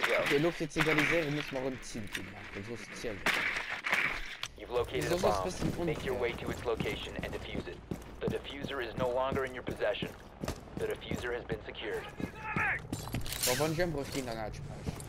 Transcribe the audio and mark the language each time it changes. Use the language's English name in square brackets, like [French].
[German] Die Luft jetzt egalisieren, muss man auch ein Ziel machen. So ist es hier. So ist es ein bisschen unfair. [English] The diffuser is no longer in your possession. The diffuser has been secured. [German] Aber wann gehen wir auf die Granatsprache?